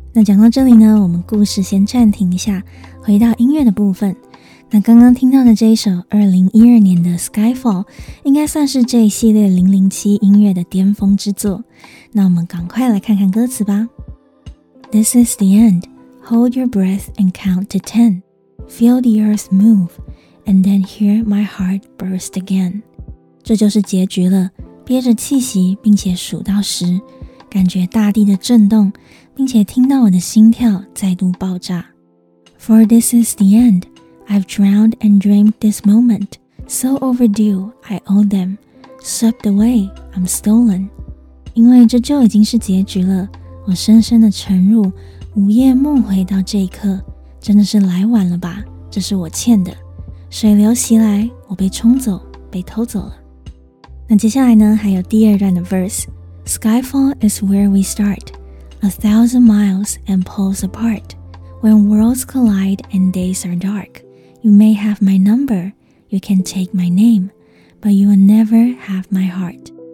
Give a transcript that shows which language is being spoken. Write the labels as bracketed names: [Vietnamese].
[Chinese] 那讲到这里呢，我们故事先暂停一下，回到音乐的部分。那刚刚听到的这一首2012年的 Skyfall 应该算是这一系列007音乐的巅峰之作。那我们赶快来看看歌词吧。 [English] This is the end. Hold your breath and count to 10. Feel the earth move, and then hear my heart burst again. [Chinese] 这就是结局了，憋着气息并且数到十，感觉大地的震动，并且听到我的心跳再度爆炸。 [English] For this is the end, I've drowned and dreamed this moment, so overdue, I owe them, swept away, I'm stolen. [Chinese] 因为这就已经是结局了，我深深的沉入，午夜梦回到这一刻，真的是来晚了吧，这是我欠的。水流袭来，我被冲走，被偷走了。那接下来呢还有第二段的 [English] verse， Skyfall is where we start， A thousand miles and poles apart， When worlds collide and days are dark， You may have my number， You can take my name， But you will never have my heart。